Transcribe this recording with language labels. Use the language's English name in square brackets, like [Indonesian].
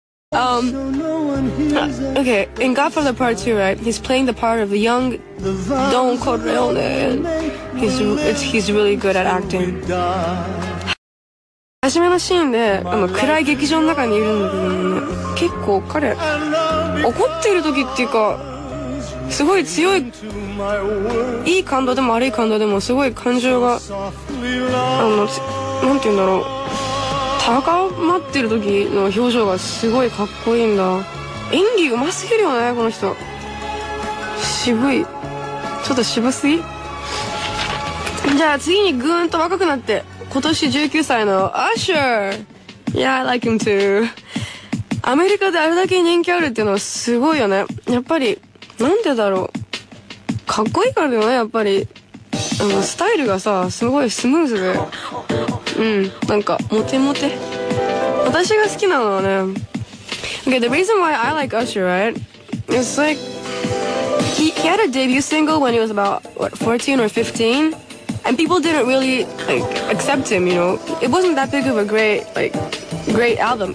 [English] Okay, in Godfather Part 2, right, he's playing the part of the young Don Corleone. He's really good at acting. [Japanese] 初めのシーンで暗い劇場の中にいるんだけど、結構彼、怒ってる時っていうか、すごい強い、いい感動でも悪い感動でも、すごい感情が、なんて言うんだろう、高まってる時の表情がすごいかっこいいんだ。演技うますぎるよね、この人。渋い。ちょっと渋すぎ？じゃあ次にぐーんと若くなって、今年19歳の Usher! [English] Yeah, I like him too. [Japanese] アメリカであれだけ人気あるっていうのはすごいよね。やっぱり、なんでだろう。かっこいいからだよね、やっぱり。スタイルがさ、すごいスムーズで。なんか、モテモテ。私が好きなのはね。 [English] Okay, the reason why I like Usher, right? It's like, he had a debut single when he was about, what, 14 or 15? And people didn't really, like, accept him, you know? It wasn't that big of a great, like, great album.